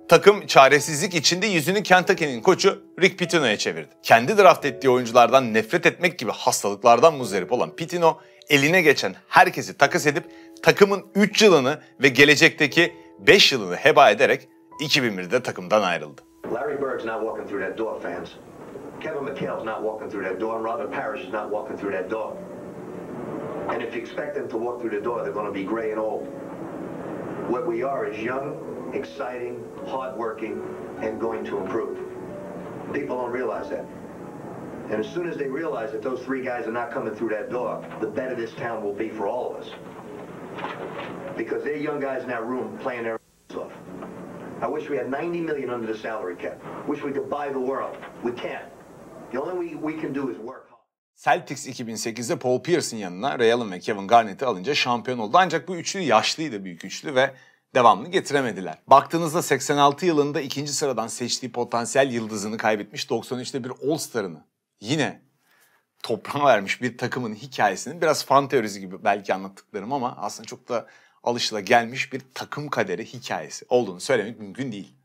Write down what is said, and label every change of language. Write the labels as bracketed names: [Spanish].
[Turkish] Takım çaresizlik içinde yüzünü Kentucky'nin koçu Rick Pitino'ya çevirdi. Kendi draft ettiği oyunculardan nefret etmek gibi hastalıklardan muzdarip olan Pitino, eline geçen herkesi takas edip takımın 3 yılını ve gelecekteki 5 yılını heba ederek 2001'de takımdan ayrıldı. [English] Larry Bird's not walking through that door, fans. Kevin McHale's not walking through that door. Robert Parrish is not walking through that door. And if you expect them to walk through the door, they're going to be gray and old. What we are is young, exciting, hardworking, and going to improve. People don't realize that. And as soon as they realize that those three guys are not coming through that door, the better this town will be for all of us. Because they're young guys in that room playing their ass off. I wish we had 90 million under the salary cap. Wish we could buy the world. We can't. The only way we can do is work. [Turkish] Celtics 2008'de Paul Pierce'in yanına Ray Allen ve Kevin Garnett'i alınca şampiyon oldu. Ancak bu üçlü yaşlıydı, büyük üçlü, ve devamını getiremediler. Baktığınızda 86 yılında ikinci sıradan seçtiği potansiyel yıldızını kaybetmiş, 93'te bir All-Star'ını yine toprağa vermiş bir takımın hikayesini biraz fan teorisi gibi belki anlattıklarım ama aslında çok da alışılagelmiş bir takım kaderi hikayesi olduğunu söylemek mümkün değil.